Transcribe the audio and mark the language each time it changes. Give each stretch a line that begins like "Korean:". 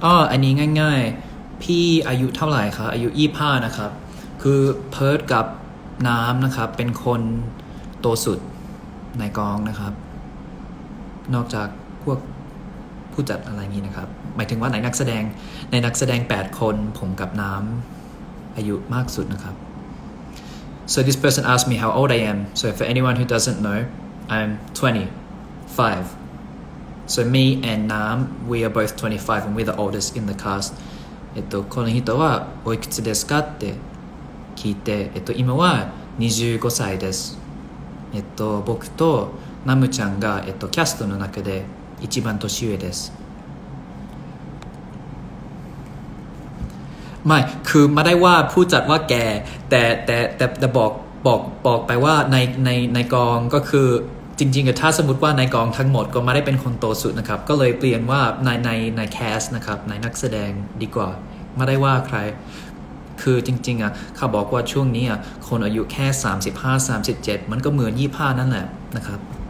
Thai: อันนี้ง่ายๆพี่อายุเท่าไหร่คะอายุ25นะครับคือเพิร์ทกับน้ำนะครับเป็นคนโตสุดในกองนะครับนอกจากพวกผู้จัดอะไรอย่างนี้นะครับหมายถึงว่าในนักแสดงในนักแสดง8คนผมกับน้ำอายุมากสุดนะครับ
English: So this person asked me how old I am. So for anyone who doesn't know, I'm 25. So me and Nam, we are both 25 and we're the oldest in the cast.
Japanese: この人はおいくつですかって聞いて、今は25歳です。僕とナムちゃんが、キャストの中で一番年上です。
Thai: ไม่คือไม่ได้ว่าผู้จัดว่าแกแต่บอกไปว่าในกองก็คือจริงๆถ้าสมมติว่าในกองทั้งหมดก็ไม่ได้เป็นคนโตสุดนะครับก็เลยเปลี่ยนว่าในแคสนะครับในนักแสดงดีกว่าไม่ได้ว่าใครคือจริงๆอ่ะเขาบอกว่าช่วงนี้อ่ะคนอายุแค่35 37มันก็เหมือน25นั่นแหละนะครับ